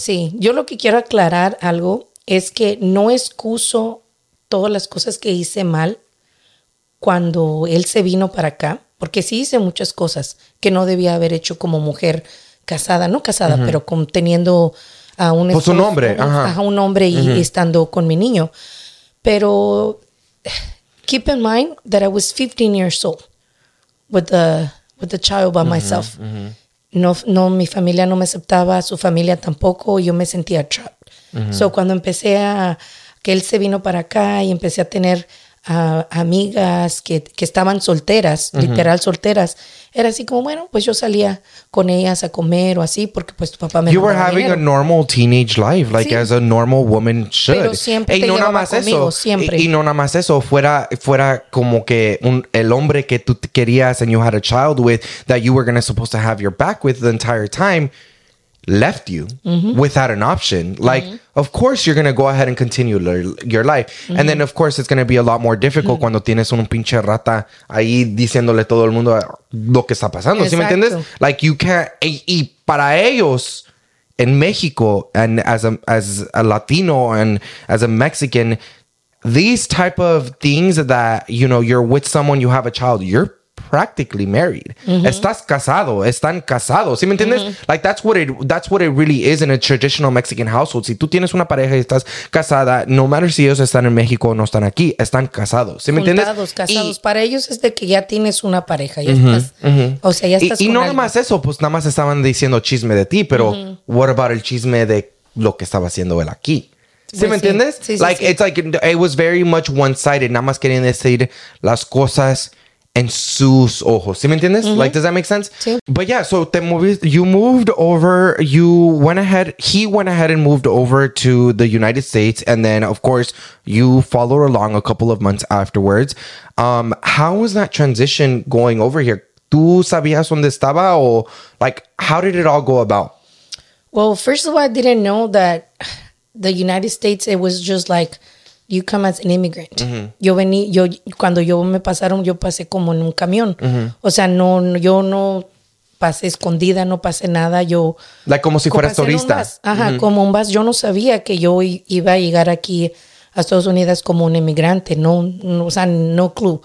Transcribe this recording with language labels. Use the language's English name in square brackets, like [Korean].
[Spanish] Sí, yo lo que quiero aclarar algo es que no excuso todas las cosas que hice mal cuando él se vino para acá. Porque sí hice muchas cosas que no debía haber hecho como mujer casada, no casada, uh-huh. pero con, teniendo a un, pues un hombre, a un hombre y, uh-huh. y estando con mi niño. [English] Pero keep in mind that I was 15 years old with the child by uh-huh. myself. Uh-huh. [Spanish] No, mi familia no me aceptaba, su familia tampoco, yo me sentía trapped. Uh-huh. So cuando empecé a que él se vino para acá y empecé a tener amigas que estaban solteras, uh-huh. literal solteras. Era así como, bueno, pues yo salía con ellas a comer o así, porque pues tu papá me... [English] You were having a normal teenage life, [Spanish] like sí. [English] as a normal woman should. [Spanish] Pero siempre te llevaba conmigo, eso. Siempre. Y no nada más eso, fuera como que el hombre que tú querías [English] and you had a child with, that you were gonna supposed to have your back with the entire time, left you mm-hmm. without an option. Like, mm-hmm. of course, you're going to go ahead and continue your life. Mm-hmm. And then, of course, it's going to be a lot more difficult mm-hmm. [Spanish] cuando tienes un pinche rata ahí diciéndole todo el mundo lo que está pasando. Exacto. ¿Sí me entiendes? [English] Like, you can't... [Spanish] Y para ellos, en México, [English] and as a Latino and as a Mexican, these type of things that, you know, you're with someone, you have a child, you're practically married. [Spanish] Mm-hmm. Estás casado. Están casados. ¿Sí me entiendes? Mm-hmm. [English] Like, that's what it really is in a traditional Mexican household. [Spanish] Si tú tienes una pareja y estás casada, [English] no matter [Spanish] si ellos están en México o no están aquí, están casados. ¿Sí me juntados, entiendes? Casados. Y, para ellos es de que ya tienes una pareja. Ya mm-hmm, estás. Mm-hmm. O sea, ya estás y no nada más eso. Pues nada más estaban diciendo chisme de ti, pero mm-hmm. [English] what about [Spanish] el chisme de lo que estaba haciendo él aquí? ¿Sí pues me sí. entiendes? Sí, [English] like, [Spanish] sí, [English] it's [Spanish] sí. [English] like, it was very much one-sided. [Spanish] Nada más querían decir las cosas en sus ojos. ¿Sí me entiendes? [English] Mm-hmm. Like, does that make sense? [Spanish] Sí. [English] But yeah, so he went ahead and moved over to the United States. And then, of course, you followed along a couple of months afterwards. How was that transition going over here? [Spanish] ¿Tú sabías dónde estaba? [English] O, like, how did it all go about? Well, first of all, I didn't know that the United States, it was just like, you come as an immigrant. Mm-hmm. [Spanish] Cuando yo me pasaron, yo pasé como en un camión. Mm-hmm. O sea, no pasé escondida, no pasé nada. Yo, like, como si fueras turista. Ajá, mm-hmm. como un bus. Yo no sabía que yo iba a llegar aquí a Estados Unidos como un inmigrante. [English] No clue.